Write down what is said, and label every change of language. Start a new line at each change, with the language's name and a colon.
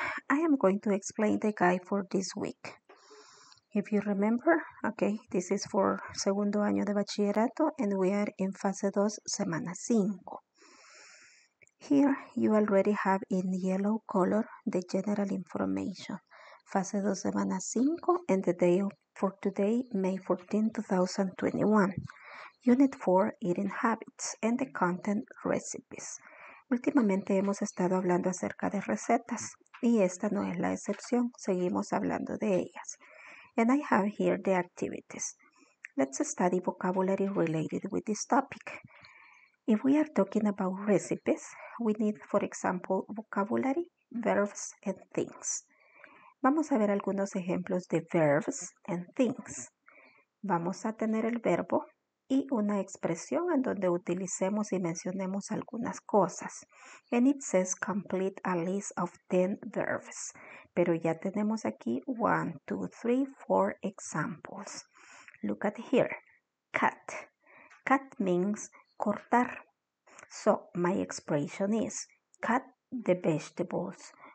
English: I am going to explain the guide for this week. If you remember, okay, this is for
Spanish: segundo año de bachillerato
English: and we are in
Spanish: fase 2, semana 5.
English: Here, you already have in yellow color the general information.
Spanish: Fase 2, semana 5
English: and the day for today, May 14, 2021. Unit 4, eating habits and the content recipes.
Spanish: Últimamente hemos estado hablando acerca de recetas y esta no es la excepción, seguimos hablando de ellas.
English: And I have here the activities. Let's study vocabulary related with this topic. If we are talking about recipes, we need, for example, vocabulary, verbs, and things.
Spanish: Vamos a ver algunos ejemplos de
English: verbs and things.
Spanish: Vamos a tener el verbo y una expresión en donde utilicemos y mencionemos algunas cosas.
English: And it says complete a list of 10 verbs.
Spanish: Pero ya tenemos aquí
English: 1, 2, 3, 4 examples. Look at here. Cut. Cut means cortar. So, my expression is cut the vegetables.